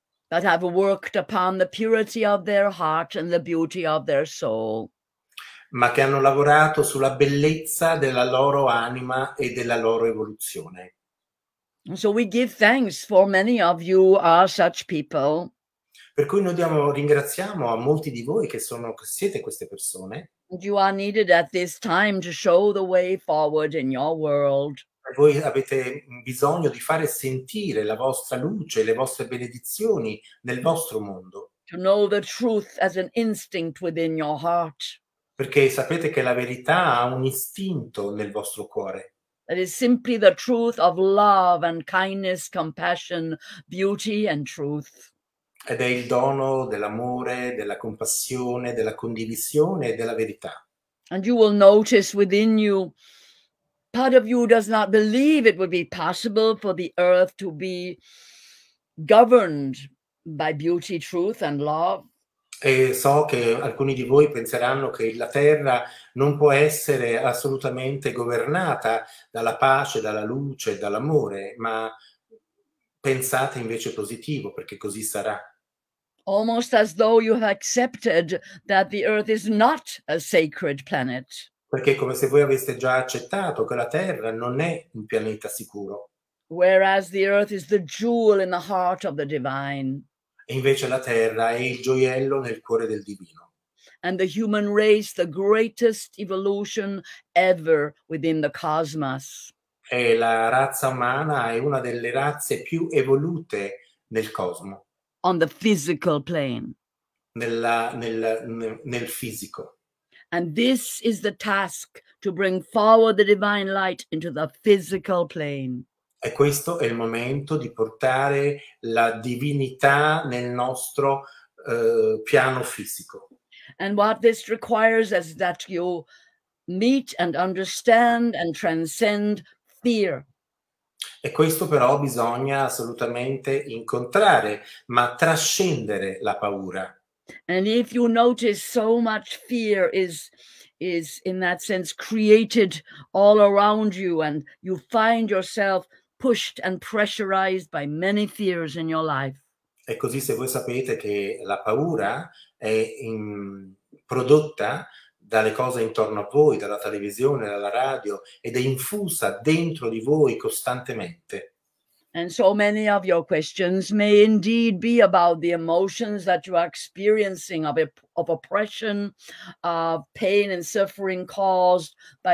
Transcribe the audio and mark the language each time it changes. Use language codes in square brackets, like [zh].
[en] That have worked upon the purity of their heart and the beauty of their soul. [it] Ma che hanno lavorato sulla bellezza della loro anima e della loro evoluzione. [en] So we give thanks for many of you are such people. [it] Per cui noi ringraziamo a molti di voi che siete queste persone. [en] And you are needed at this time to show the way forward in your world. [it] Voi avete bisogno di fare sentire la vostra luce, le vostre benedizioni nel vostro mondo. [en] To know the truth as an instinct within your heart. [it] Perché sapete che la verità ha un istinto nel vostro cuore. [en] That is simply the truth of love and kindness, compassion, beauty and truth. [it] Ed è il dono dell'amore, della compassione, della condivisione e della verità. [en] And you will notice within you, part of you does not believe it would be possible for the earth to be governed by beauty, truth and love. [it] E so che alcuni di voi penseranno che la Terra non può essere assolutamente governata dalla pace, dalla luce, dall'amore, ma pensate invece positivo, perché così sarà. [en] Almost as though you have accepted that the earth is not a sacred planet. [it] Perché è come se voi aveste già accettato che la Terra non è un pianeta sicuro. [en] Whereas the earth is the jewel in the heart of the divine. [it] Invece la terra è il gioiello nel cuore del divino. [en] And the human race, the greatest evolution ever within the cosmos. [it] E la razza umana è una delle razze più evolute nel cosmo, [en] On the physical plane. [it] nel fisico. [en] And this is the task to bring forward the divine light into the physical plane. [it] E questo è il momento di portare la divinità nel nostro piano fisico. [en] And what this requires is that you meet and understand and transcend fear. [it] E questo però bisogna assolutamente incontrare, ma trascendere la paura. [en] And if you notice so much fear is in that sense created all around you and you find yourself pushed and pressurized by many fears in your life. [it] E così, se voi sapete che la paura è prodotta dalle cose intorno a voi, dalla televisione, dalla radio, ed è infusa dentro di voi costantemente. [en] And so many of your questions may indeed be about the emotions that you are experiencing of oppression, of pain and suffering caused by